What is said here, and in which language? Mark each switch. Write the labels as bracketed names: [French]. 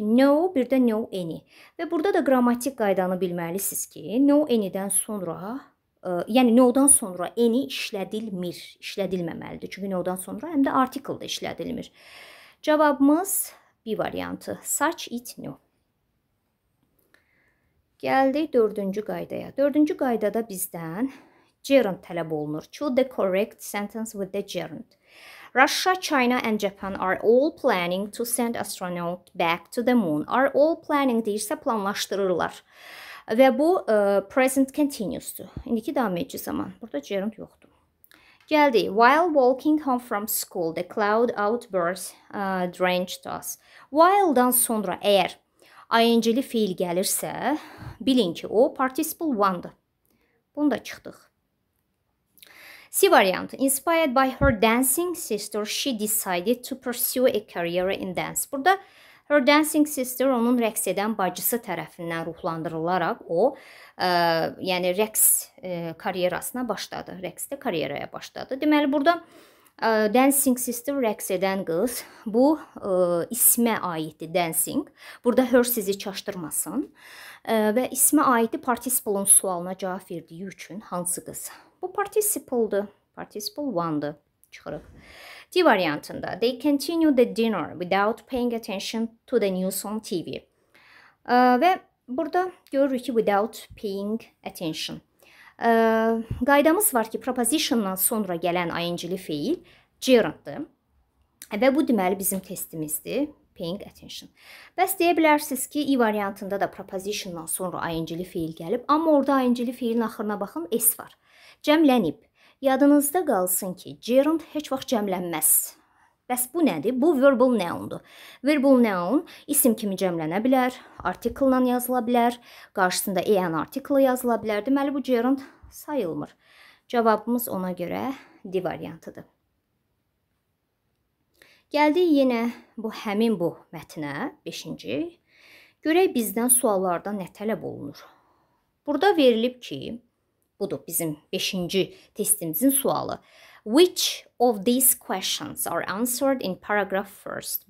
[Azerbaijani] No, bir də no any. Və burada da qrammatik qaydanı bilməlisiniz ki, no any-dən sonra, yəni no-dan sonra any işlədilmir, işlədilməməlidir. Çünki no-dan sonra həm də artikl da işlədilmir. Cavabımız B variantı. Saç, it, no. Gəldik dördüncü qaydaya. Dördüncü qaydada bizdən gerund tələb olunur. [English] Choose the correct sentence with the gerund. Russia, China and Japan are all planning to send astronaut back to the moon. Are all planning [Azerbaijani] deyirsə planlaşdırırlar. Və bu present continuous-dur. İndiki davam edici zaman. Burada gerund yoxdur. Gəldi. [English] While walking home from school, the cloud outburst drenched us. [Azerbaijani] While-dan sonra əgər ing-li fiil gəlirsə, bilin ki, o participle 1-dır. Bunu da çıxdıq. C variantı. [English] Inspired by her dancing sister, she decided to pursue a career in dance. [Azerbaijani] Burada [English] her dancing sister [Azerbaijani] onun rəqs edən bacısı tərəfindən ruhlandırılaraq o, yəni rəqs karyerasına başladı. Rəqsdə karyeraya başladı. Deməli, burada dancing sister rəqs edən qız bu ismə aiddir dancing. Burada her sizi çaşdırmasın və ismə aiddir participle-un sualına cavab verdiyi üçün hansı qız? Bu participle-dir. Participle 1-dir. Çıxırıq. D variantında. [English] They continue the dinner without paying attention to the news on TV. [Azerbaijani] Və burada görürük ki, [English] without paying attention. [Azerbaijani] Qaydamız var ki, proposition-dan sonra gələn ing-li fiil gerund-dır. Və bu deməli bizim testimizdir. [English] Paying attention. [Azerbaijani] Bəs deyə bilərsiniz ki, E variantında da proposition-dan sonra ing-li fiil gəlib. Amma orada ing-li fiilin axırına baxın, S var. Cəmlənib. Yadınızda qalsın ki, gerund heç vaxt cəmlənməz. Bəs bu nədir? Bu verbal noun-dur. Verbal noun isim kimi cəmlənə bilər, artikl-la yazıla bilər, qarşısında an artikl-la yazıla bilər. Deməli, bu gerund sayılmır. Cavabımız ona görə D variantıdır. Gəldi yenə bu həmin bu mətnə, 5-ci. Görək bizdən suallarda nə tələb olunur. Burada verilib ki, budur bizim 5-ci testimizin sualı. [English] Which of these questions are answered in paragraph first?